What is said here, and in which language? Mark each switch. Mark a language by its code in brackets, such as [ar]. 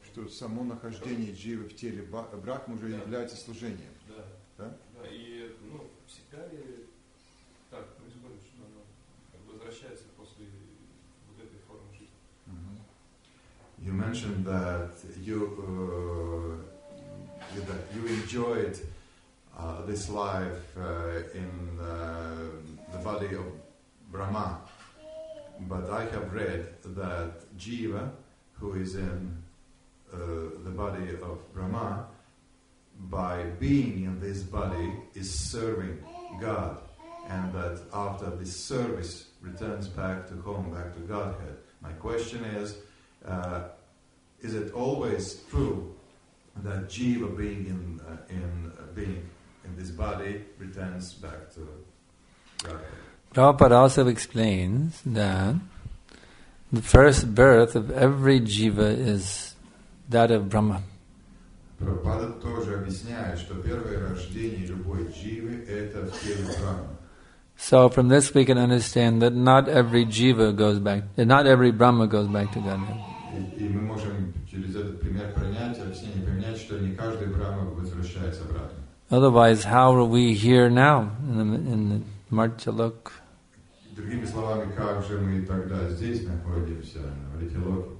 [ru] Само нахождение дживы в теле брахмы уже является служением. Да. И всегда ли так происходит, что она возвращается после вот этой формы жизни? [en] You mentioned that you enjoyed this life in the body of Brahma, but I have read that jiva who is in the body of Brahma, by being in this body, is serving God, and that after this service returns back to home, back to Godhead. My question is it always true that jiva being in this body returns back to Godhead? Prabhupada also explains that the first birth of every jiva is that of Brahma. [ru] Prabhupada тоже объясняет, что первое рождение любой дживы это в теле Брахмы. [en] So from this we can understand that not every Brahma goes back to Godhead. [ru] И мы можем через этот пример объяснение принять, что не каждый Брахма возвращается обратно. [en] Otherwise, how are we here now in the Martyalok? [ru] Другими словами, как же мы тогда здесь находимся в Ритилоке?